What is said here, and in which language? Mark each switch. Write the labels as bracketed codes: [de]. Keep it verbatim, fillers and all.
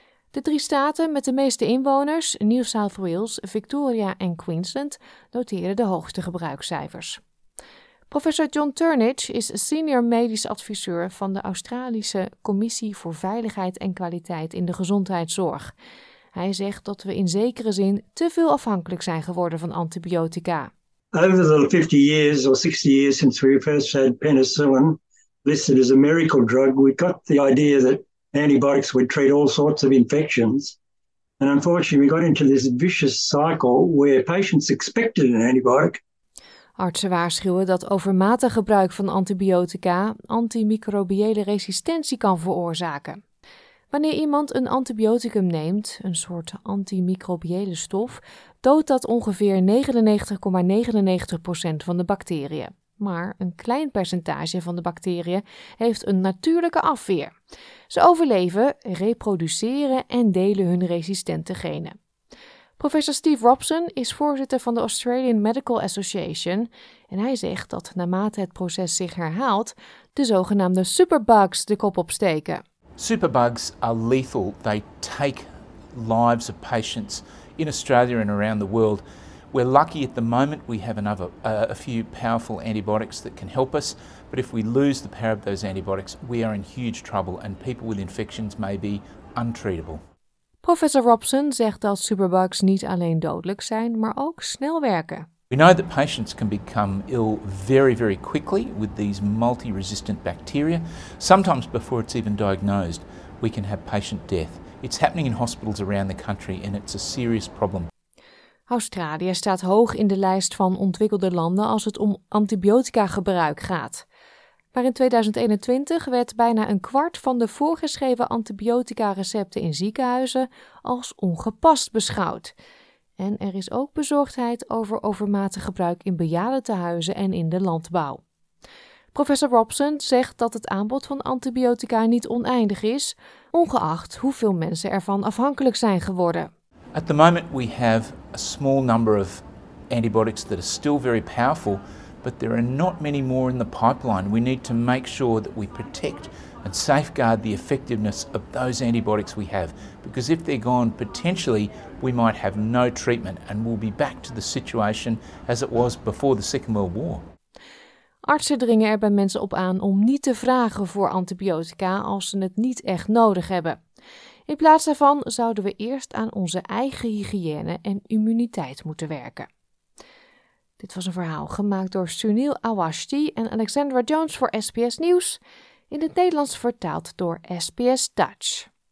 [nl] De drie staten met de meeste inwoners, New South Wales, Victoria en Queensland, noteren de hoogste gebruikscijfers. Professor John Turnage is senior medisch adviseur van de Australische Commissie voor Veiligheid en Kwaliteit in de Gezondheidszorg. Hij zegt dat we in zekere zin te veel afhankelijk zijn geworden van antibiotica. [en] Over the fifty years or sixty years since we first had penicillin listed as a miracle drug, we got the idea that antibiotics would treat all sorts of infections. And unfortunately, we got into this vicious cycle where patients expected an antibiotic. [nl] Artsen waarschuwen dat overmatig gebruik van antibiotica antimicrobiële resistentie kan veroorzaken. Wanneer iemand een antibioticum neemt, een soort antimicrobiële stof, doodt dat ongeveer negenennegentig komma negenennegentig procent van de bacteriën. Maar een klein percentage van de bacteriën heeft een natuurlijke afweer. Ze overleven, reproduceren en delen hun resistente genen. Professor Steve Robson is voorzitter van de Australian Medical Association en hij zegt dat naarmate het proces zich herhaalt, de zogenaamde superbugs de kop opsteken. [en] Superbugs are lethal. They take lives of patients in Australia and around the world. We're lucky at the moment we have another, uh, a few powerful antibiotics that can help us, but if we lose the power of those antibiotics, we are in huge trouble and people with infections may be untreatable. [nl] Professor Robson zegt dat superbugs niet alleen dodelijk zijn, maar ook snel werken. [en] We know that patients can become ill very, very quickly with these multi-resistant bacteria. Sometimes before it's even diagnosed, we can have patient death. It's happening in hospitals around the country and it's a serious problem. [nl] Australië staat hoog in de lijst van ontwikkelde landen als het om antibiotica-gebruik gaat. Maar in twintig eenentwintig werd bijna een kwart van de voorgeschreven antibiotica-recepten in ziekenhuizen als ongepast beschouwd. En er is ook bezorgdheid over overmatig gebruik in bejaardentehuizen en in de landbouw. Professor Robson zegt dat het aanbod van antibiotica niet oneindig is, ongeacht hoeveel mensen ervan afhankelijk zijn geworden. [en] At the moment we have a small number of antibiotics that are still very powerful, but there are not many more in the pipeline. We need to make sure that we protect and safeguard the effectiveness of those antibiotics we have, because if they're gone, potentially we might have no treatment and we'll be back to the situation as it was before the Second World War. [nl] Artsen dringen er bij mensen op aan om niet te vragen voor antibiotica als ze het niet echt nodig hebben. In plaats daarvan zouden we eerst aan onze eigen hygiëne en immuniteit moeten werken. Dit was een verhaal gemaakt door Sunil Awasthi en Alexandra Jones voor S B S Nieuws, in het Nederlands vertaald door S B S Dutch.